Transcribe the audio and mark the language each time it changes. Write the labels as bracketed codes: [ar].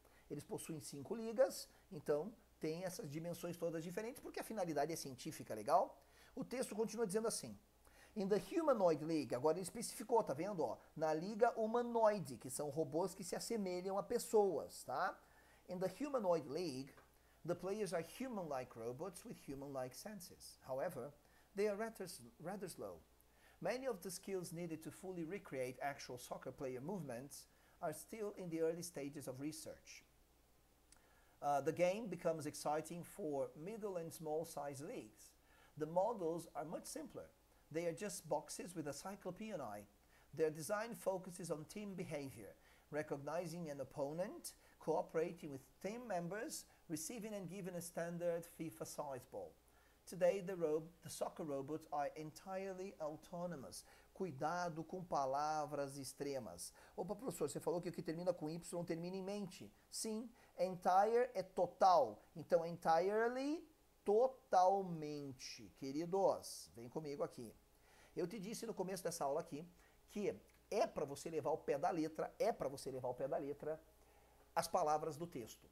[pt] Eles possuem cinco ligas, então tem essas dimensões todas diferentes, porque a finalidade é científica, legal? O texto continua dizendo assim: [en] In the Humanoid League, [pt] agora ele especificou, tá vendo? Ó, na liga humanoide, que são robôs que se assemelham a pessoas, tá? [en] In the Humanoid League, the players are human-like robots with human-like senses. However, they are rather slow. Many of the skills needed to fully recreate actual soccer player movements are still in the early stages of research. The game becomes exciting for middle and small size leagues. The models are much simpler. They are just boxes with a cyclopean eye. Their design focuses on team behavior, recognizing an opponent, cooperating with team members, receiving and giving a standard FIFA-sized ball. Today, the soccer robots are entirely autonomous. [pt] Cuidado com palavras extremas. Opa, professor, você falou que o que termina com Y termina em mente. Sim, entire é total. Então, entirely, totalmente. Queridos, vem comigo aqui. Eu te disse no começo dessa aula aqui que é para você levar ao pé da letra, é para você levar ao pé da letra as palavras do texto.